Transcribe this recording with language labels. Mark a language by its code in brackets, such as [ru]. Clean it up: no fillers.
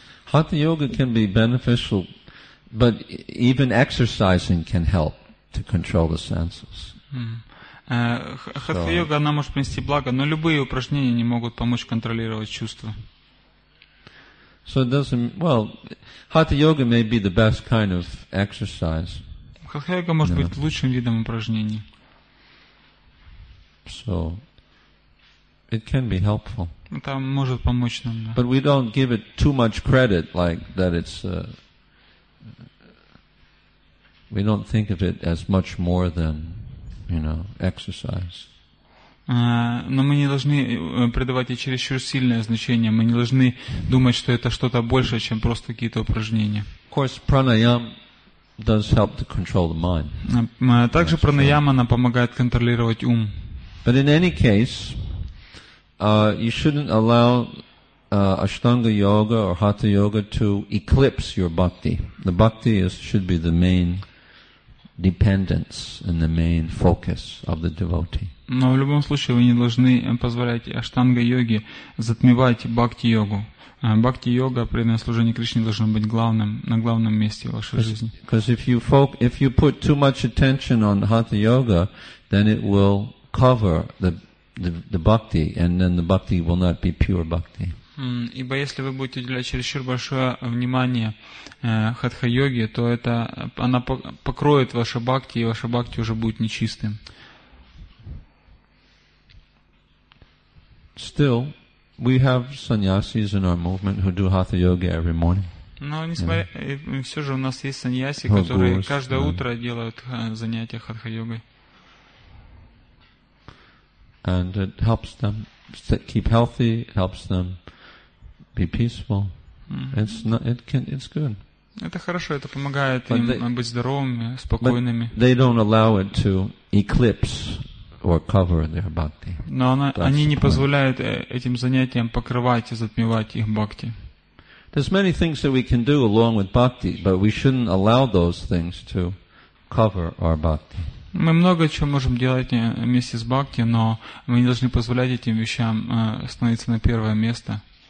[en] Hatha yoga can be beneficial, but even exercising can help to control the senses. [ru] Hatha yoga, она может принести благо, но любые упражнения не могут помочь контролировать чувства. [en] So it doesn't. Well, hatha yoga may be the best kind of exercise. [ru] Hatha yoga может быть лучшим видом упражнений. [en] So it can be helpful. [ru] Это может помочь нам, да. [en] But we don't give it too much credit, like that it's we don't think of it as much more than, you know, exercise. [ru] Но мы не должны придавать ей чересчур сильное значение. Мы не должны думать, что это что-то большее, чем просто какие-то упражнения. [en] Of course, pranayama does help to control the mind. [ru] Также пранаяма нам помогает контролировать ум. [en] But in any case, you shouldn't allow Ashtanga yoga or Hatha yoga to eclipse your bhakti. The bhakti should be the main dependence and the main focus of the devotee. [ru] Но в любом случае вы не должны позволять Ashtanga йоге затмевать бхакти йогу. Бхакти йога, преданное служение Кришне, должно быть главным, на главном месте в вашей жизни. [en] Because if you put too much attention on Hatha yoga, then it will cover the bhakti, and then the bhakti will not be pure bhakti. [ru] Ибо если вы будете уделять чересчур большое внимание хатха-йоге, то это она покроет ваше бхакти, и ваше бхакти уже будет нечистым. [en] Still, we have sannyasis in our movement who do hatha yoga every morning. [ru] Но несмотря, все же у нас есть саньяси, которые каждое утро делают занятия хатха-йогой. [en] And it helps them keep healthy, helps them be peaceful. It's good. [ru] Это хорошо, это помогает им быть здоровыми, спокойными. [en] But they don't allow it to eclipse or cover their bhakti. [ru] Но они не позволяют этим занятиям покрывать и затмевать их бхакти. [en] There's many things that we can do along with bhakti, but we shouldn't allow those things to cover our bhakti. [ru] Мы много чего можем делать вместе с бхакти, но мы не должны позволять этим вещам становиться на первое место.